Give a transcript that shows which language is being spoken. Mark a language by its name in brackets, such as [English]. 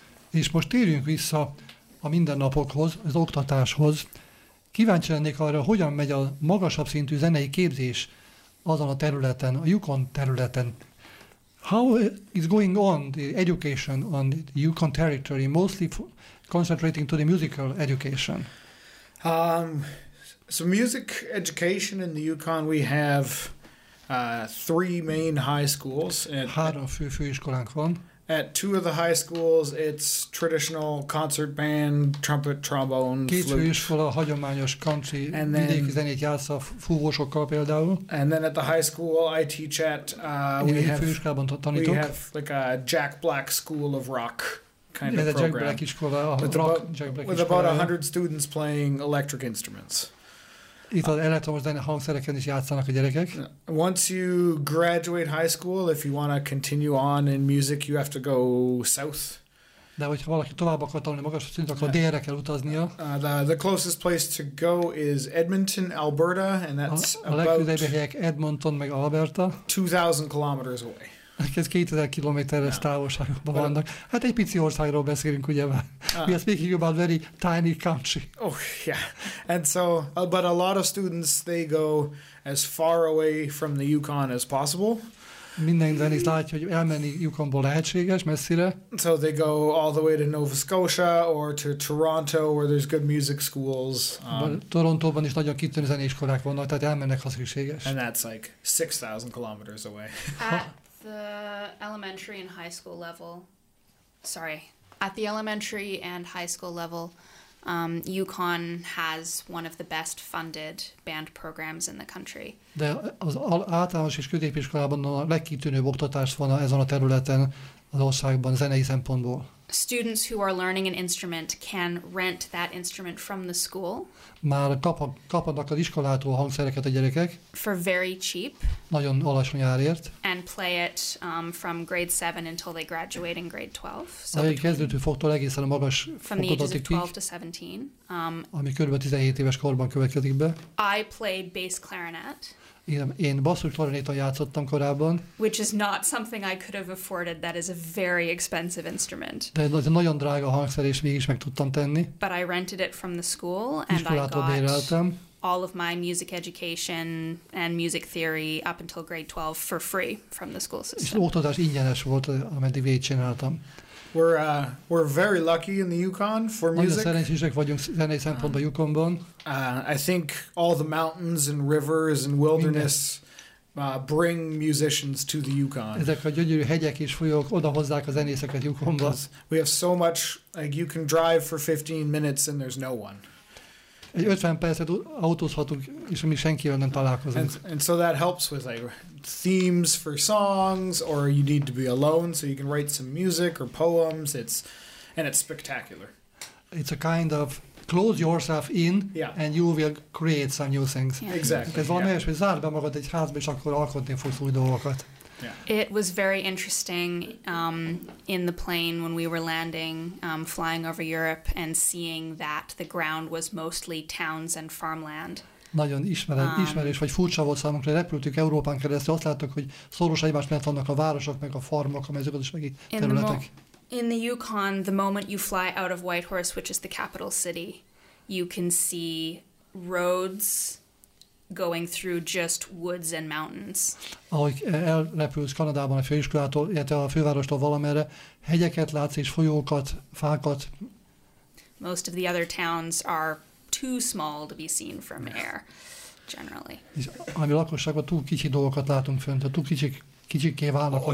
[Hungarian] És most térjünk vissza a mindennapokhoz, az oktatáshoz. Kíváncsi lennék arra, hogyan megy a magasabb szintű zenei képzés azon a területen, a Yukon területen. [English] How is going on the education on the Yukon territory, mostly concentrating to the musical education? So music education in the Yukon, we have three main high schools. [Hungarian] Három fő főiskolánk van. [English] At two of the high schools, it's traditional concert band, trumpet, trombone, [Hungarian] két [English] flute. [Hungarian] Két főiskola hagyományos country, vidéki zenét játsz a fúvósokkal például. [English] And then at the high school I teach at, we have like a Jack Black school of rock kind of program. [Hungarian] Ez a Jack Black iskola, Jack Black [English] iskola. With about 100 students playing electric instruments. [Hungarian] Itt az elektromos hangszereken is játszanak a gyerekek. [English] Once you graduate high school, if you want to continue on in music, you have to go south. [Hungarian] De hogyha valaki tovább akar tanulni magasabb szintű, akkor délre kell utaznia. [English] The closest place to go is Edmonton, Alberta, and that's [Hungarian] a legközelebbi helyek Edmonton meg Alberta. [English] 2000 kilometers away. [Hungarian] Ez 2000 kilométeres távolságban vannak. Hát egy pici országról beszélünk, ugye? [English] We are speaking about a very tiny country. Oh, yeah. And so, but a lot of students, they go as far away from the Yukon as possible. [Hungarian] Minden zenész látja, hogy elmenni Yukonból lehetséges, messzire. [English] So they go all the way to Nova Scotia or to Toronto, where there's good music schools. [Hungarian] Torontóban is nagyon kitűnő zenéiskolák vannak, tehát elmennek, ha szükséges. [English] And that's like 6,000 kilometers away. The elementary and high school level, at the elementary and high school level, UConn has one of the best funded band programs in the country. [Hungarian] De az általános és középiskolában a legkitűnőbb oktatás van ezen a területen az országban zenei szempontból. [English] Students who are learning an instrument can rent that instrument from the school. [Hungarian] Már kapnak az iskolától hangszereket a gyerekek. [English] For very cheap. [Hungarian] Nagyon alacsony árért. [English] And play it from grade 7 until they graduate in grade 12. [Hungarian] So a kezdőtől fogtól egészen a magas fokozatig. [English] 12 to 17. [Hungarian] Ami körülbelül 17 éves korban következik be. [English] I play bass clarinet. [Hungarian] Én basszus klarinéton játszottam korábban. [English] Which is not something I could have afforded. That is a very expensive instrument. [Hungarian] De egy nagyon drága hangszer, és mégis meg tudtam tenni. [English] But I rented it from the school, and I got all of my music education and music theory up until grade 12 for free from the school system. [Hungarian] És oktatás ingyenes volt, ameddig végig csináltam. [English] We're very lucky in the Yukon for music. [Hungarian] Nagyon szerencsések vagyunk zenei szempontban Yukonban. [English] I think all the mountains and rivers and wilderness bring musicians to the Yukon. [Hungarian] Ezek a gyönyörű hegyek és folyók odahozzák a zenészeket Yukonba. [English] We have so much, like you can drive for 15 minutes and there's no one. [Hungarian] Egy 50 percet autózhatunk, és mi senkivel nem találkozunk. [English] And so that helps with like themes for songs, or you need to be alone so you can write some music or poems. It's spectacular. It's a kind of close yourself in, yeah. And you will create some new things. Yeah. Exactly. [Hungarian] Ez valami olyasmi, hogy zárd be magad egy házba, és akkor alkotni fogsz új dolgokat. [English] Yeah. It was very interesting in the plane when we were landing, flying over Europe, and seeing that the ground was mostly towns and farmland. [Hungarian] Nagyon ismerős vagy furcsa volt számunkra, hogy repültük Európán keresztül, azt láttuk, hogy szoros egymás mellett vannak a városok, meg a farmok, a mezőgazdasági területek. [English] In the Yukon, the moment you fly out of Whitehorse, which is the capital city, you can see roads going through just woods and mountains. [Hungarian] Ahogy elrepülsz Kanadában a főiskolától, illetve a fővárostól valamerre, hegyeket látsz és folyókat, fákat. [English] Most of the other towns are too small to be seen from air, generally. [Hungarian] Ami lakosságban túl kicsi dolgokat látunk fönt, a túl kicsiké válnak.